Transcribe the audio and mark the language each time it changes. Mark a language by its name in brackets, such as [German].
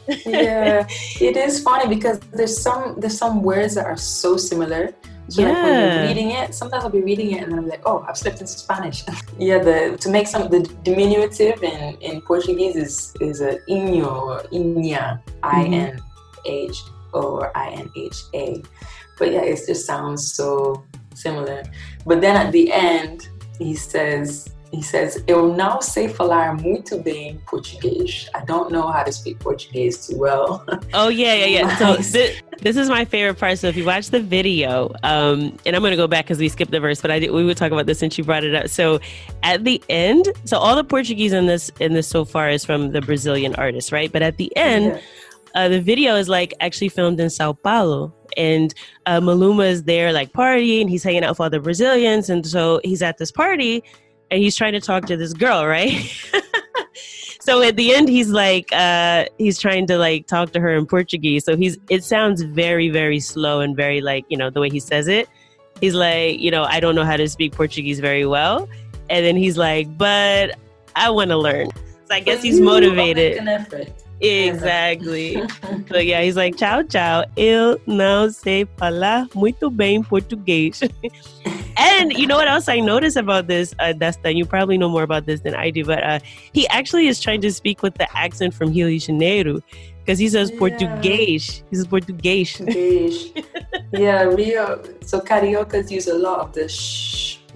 [English] Yeah, it is funny because there's some words that are so similar. So yeah. Like when you're reading it, sometimes I'll be reading it and then I'm like, oh, I've slipped into Spanish. Yeah, to make the diminutive in Portuguese is a inho or inha, I-N-H or I-N-H-A. But yeah, it just sounds so similar. But then at the end, he says, [Portuguese] eu não sei falar muito bem português. [English] I don't know how to speak Portuguese too well. Oh, yeah. So this is my favorite part. So if you watch the video, and I'm going to go back because we skipped the verse, but we would talk about this since you brought it up. So at the end, so all the Portuguese in this so far is from the Brazilian artist, right? But at the end, the video is like actually filmed in Sao Paulo. And Maluma is there like partying. He's hanging out with all the Brazilians. And so he's at this party and he's trying to talk to this girl, right? So at the end, he's like, he's trying to like talk to her in Portuguese. So it sounds very, very slow and very like, you know, the way he says it. He's like, you know, I don't know how to speak Portuguese very well. And then he's like, but I want to learn. So I guess he's motivated. I'll make an effort. Exactly. So yeah, he's like, ciao, ciao. [Portuguese] Eu não sei falar muito bem português. [English] And you know what else I noticed about this, Dustin? You probably know more about this than I do, but he actually is trying to speak with the accent from Rio de Janeiro because he says português. He says português. Yeah, Rio. So cariocas use a lot of the shh.